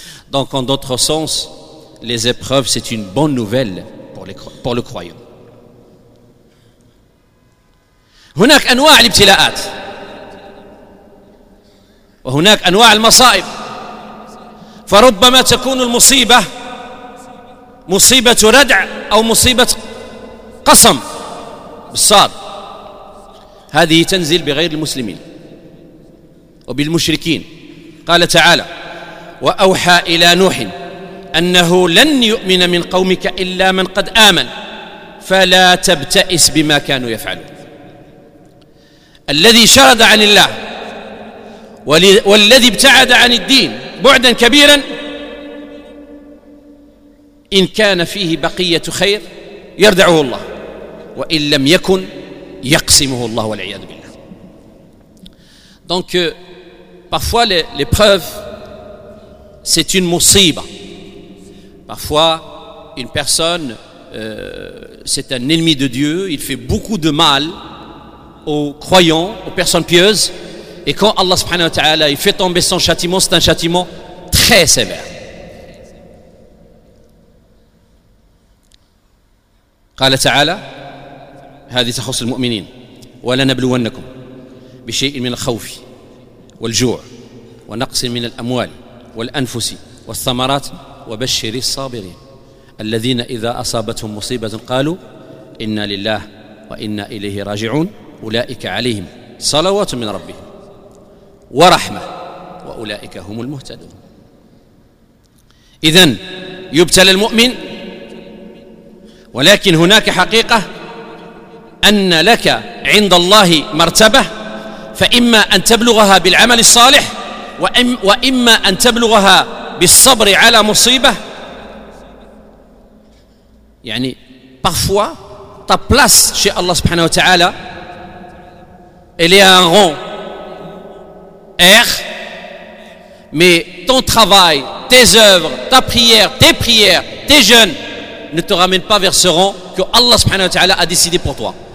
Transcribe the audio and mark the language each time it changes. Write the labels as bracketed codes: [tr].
[fr] Donc en d'autres sens, les épreuves, c'est une bonne nouvelle pour le croyant. [ar] هناك انواع الابتلاءات وهناك انواع المصائب فربما تكون المصيبة مصيبة ردع او مصيبة قسم بالصاد هذه تنزل بغير المسلمين وبالمشركين قال تعالى واوحى الى نوح أنه لن يؤمن من قومك إلا من قد آمن فلا تبتئس بما كانوا يفعلون الذي شرد عن الله والذي ابتعد عن الدين بعدا كبيرا إن كان فيه بقية خير يردعه الله وإن لم يكن يقسمه الله والعياذ بالله. [fr] Donc parfois l'épreuve c'est une mosiba. Parfois, une personne, c'est un ennemi de Dieu, il fait beaucoup de mal aux croyants, aux personnes pieuses. Et quand Allah subhanahu wa ta'ala, il fait tomber son châtiment, c'est un châtiment très sévère. [ar] قال تعالى هذه تخص المؤمنين ولنبلونكم بشيء من الخوف والجوع ونقص من الأموال والأنفس والثمرات وبشر الصابرين الذين إذا أصابتهم مصيبة قالوا إنا لله وإنا إليه راجعون أولئك عليهم صلوات من ربهم ورحمة وأولئك هم المهتدون. إذن يبتلى المؤمن ولكن هناك حقيقة أن لك عند الله مرتبة فإما أن تبلغها بالعمل الصالح وإما أن تبلغها بالصبر على مصيبة. يعني [fr] parfois ta place chez Allah subhanahu wa ta'ala elle est à un rang R, mais ton travail tes œuvres, ta prière, tes prières, tes jeûnes ne te ramènent pas vers ce rang que Allah subhanahu wa ta'ala a décidé pour toi.